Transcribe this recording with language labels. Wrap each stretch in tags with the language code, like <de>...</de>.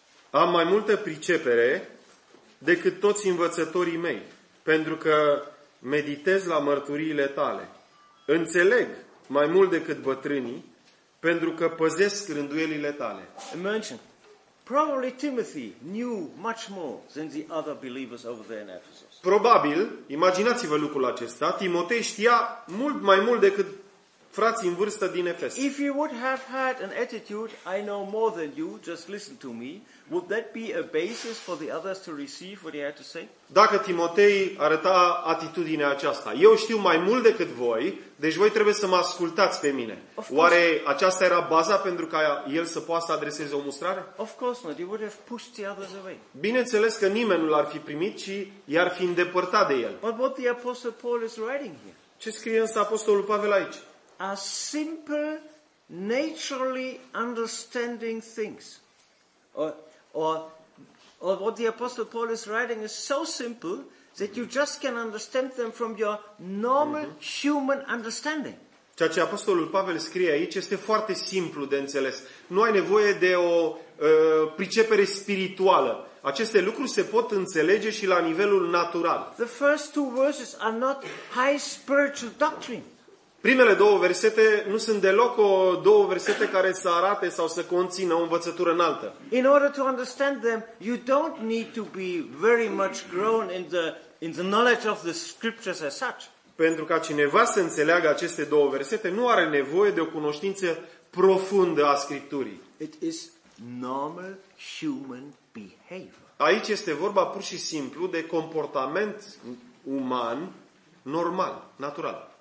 <ro>Am mai multă pricepere decât toți învățătorii mei, pentru că meditez la mărturiile tale. Înțeleg mai mult decât bătrânii, pentru că păzesc rânduielile tale.</ro> <en>Imagine. Probably Timothy knew much more than the other believers over there in Ephesus.</en> <ro>Probabil, imaginați-vă lucrul acesta, Timotei știa mult mai mult decât frații în vârstă din Efes.</ro> <en>If you would have had an attitude, I know more than you, just listen to me, would that be a basis for the others to receive what he had to say?</en> <ro>Dacă Timotei arăta atitudinea aceasta, eu știu mai mult decât voi, deci voi trebuie să mă ascultați pe mine. Oare aceasta era baza pentru ca el să poată să adreseze o mustrare?</ro> <en>Of course not. He would have pushed the others away.</en> <ro>Bineînțeles că nimeni nu l-ar fi primit, ci i-ar fi îndepărtat de el.</ro> <en>But what the Apostle Paul is writing here?</en> <ro>Ce scrie însă Apostolul Pavel aici?</ro> <en>A simple, naturally understanding things. Or what the Apostle Paul is writing is so simple that you just can understand them from your normal human understanding.</en> <ro>Ceea ce Apostolul Pavel scrie aici este foarte simplu de înțeles. Nu ai nevoie de o pricepere spirituală. Aceste lucruri se pot înțelege și la nivelul natural.</ro> <en>The first two verses are not high spiritual doctrine.</en> <ro>Primele două versete nu sunt deloc două versete care să arate sau să conțină o învățătură înaltă.</ro> <en>In order to understand them, you don't need to be very much grown in the knowledge of the scriptures as such.</en> <ro>Pentru ca cineva să înțeleagă aceste două versete, nu are nevoie de o cunoștință profundă a Scripturii.</ro> <en>It is normal human behavior.</en> <ro>Aici este vorba pur și simplu de comportament uman normal, natural.</ro>